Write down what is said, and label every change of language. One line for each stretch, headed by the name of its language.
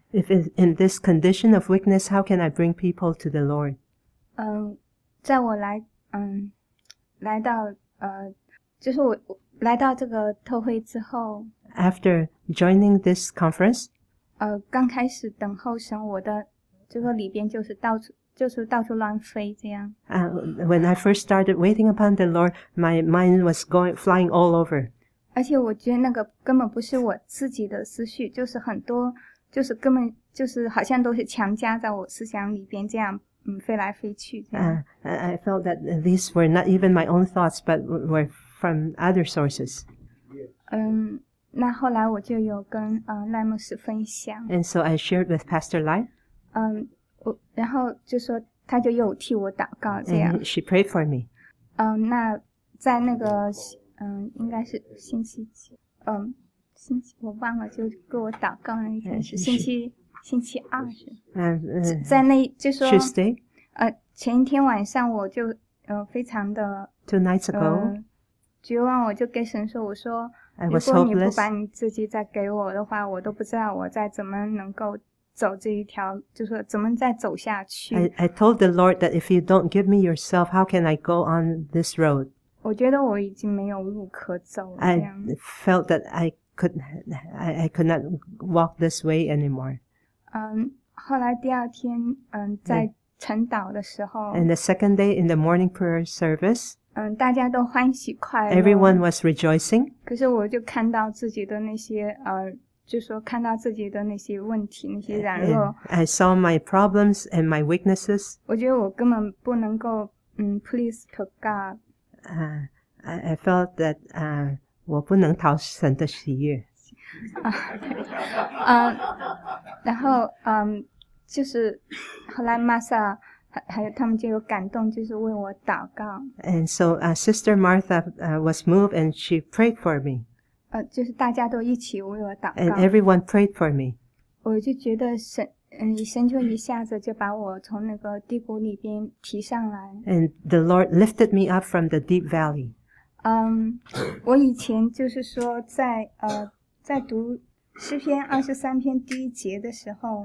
English: If in this condition of weakness, how can I bring people to the Lord?
Chinese: 在我来到就是我来到这个特会之后
English: After joining this conference,
Chinese: 刚开始等候神，我的就说里边就是到处乱飞这样。
English: When I first started waiting upon the Lord, my mind was going flying all over.
Chinese: 而且我觉得那个根本不是我自己的思绪，就是很多就是根本就是好像都是强加在我思想里边这样。飞来飞去这样。
English: I felt that these were not even my own thoughts, but were from other sources.
Chinese: 那后来我就有跟赖牧师分享。
English: And so I shared with Pastor Lai.
Chinese: 然后就说他就又替我祷告这样。
English: And she prayed for me.
Chinese: 那在那个应该是星期几星期我忘了，就给我祷告那一天是星期。星期二是在那就说
English: Tuesday?
Chinese: 前一天晚上我就非常的
English: Two nights ago
Chinese: 绝望，我就给神说，我说
English: I was hopeless.
Chinese: 如果你不把你自己再给我的话，我都不知道我再怎么能够走这一条，就说怎么再走下去。
English: I told the Lord that if you don't give me yourself, how can I go on this road?
Chinese: 我觉得我已经没有路可走了。
English: I felt that I could not walk this way anymore.
Chinese: 后来第二天在晨祷的时候
English: And the second day in the morning prayer service
Chinese: 大家都欢喜快乐。
English: Everyone was rejoicing.
Chinese: 可是我就看到自己的那些就说看到自己的那些问题，那些软弱。
English: I saw my problems and my weaknesses.
Chinese: 我觉得我根本不能够
English: please to God. I felt that
Chinese: 我不能讨神的喜悦。然后就是后来玛莎还有他们就有感动，就是为我祷告。
English: And so, Sister Martha, was moved and she prayed for me.
Chinese: 就是大家都一起为我祷告。
English: And everyone prayed for me.
Chinese: 我就觉得神就一下子就把我从那个低谷里边提上来。
English: And the Lord lifted me up from the deep valley.
Chinese: 我以前就是说在读诗篇二十三篇第一节的时候。